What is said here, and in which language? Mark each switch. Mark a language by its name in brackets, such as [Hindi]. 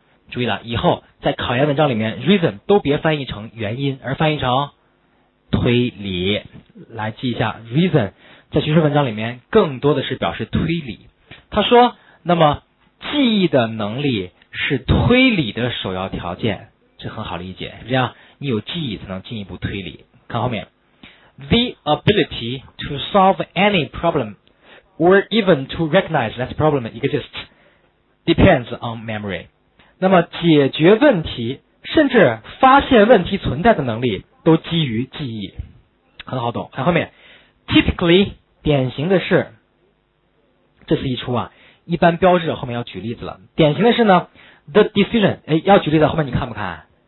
[Chinese] 注意了，以后在考研文章里面 ，reason 都别翻译成原因，而翻译成推理。来记一下 reason， 在学术文章里面更多的是表示推理。他说，那么记忆的能力是推理的首要条件，这很好理解，是这样，你有记忆才能进一步推理。看后面 [English] ，the ability to solve any problem or even to recognize that problem exists depends on memory。 [Chinese] 那么解决问题，甚至发现问题存在的能力，都基于记忆。很好懂。看后面 typically 典型的是，这次一出啊，一般标志后面要举例子了。典型的是呢 the decision， 哎，要举例子，后面你看不看？